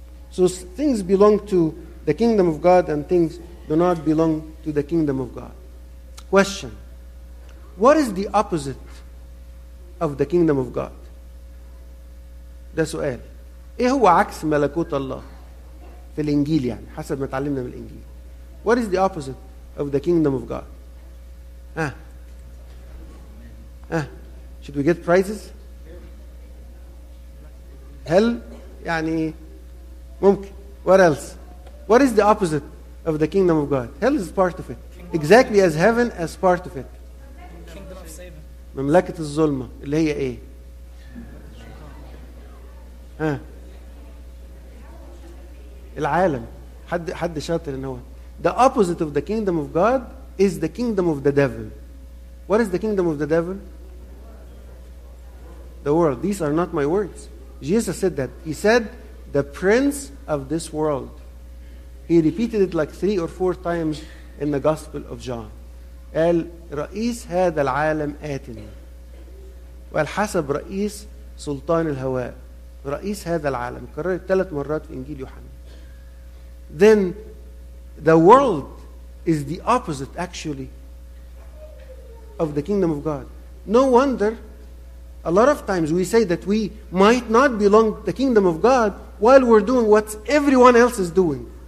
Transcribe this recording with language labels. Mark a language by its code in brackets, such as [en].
[en] So things belong to the kingdom of God and things do not belong to the kingdom of God. Question: what is the opposite of the kingdom of God? [ar] ده سؤال. إيه هو عكس ملكوت الله في الإنجيل يعني حسب ما تعلمنا من الإنجيل. [en] What is the opposite of the kingdom of God? Should we get prizes? [ar] هل يعني ممكن. [en] What else? What is the opposite of the kingdom of God? Hell is part of it. Exactly as heaven as part of it. [ar] مملكة الظلمة اللي هي إيه؟ العالم. حد شاطر ان هو [en] the opposite of the kingdom of God is the kingdom of the devil. What is the kingdom of the devil? The world. These are not my words. Jesus said that. He said the prince of this world. He repeated it like 3 or 4 times in the gospel of John. [ar] قال رئيس هذا العالم آتنا. وقال حسب رئيس سلطان الهواء. رئيس هذا العالم. كررت 3 مرات في انجيل يوحنا. [en] Then the world is the opposite, actually, of the kingdom of God. No wonder a lot of times we say that we might not belong to the kingdom of God while we're doing what everyone else is doing.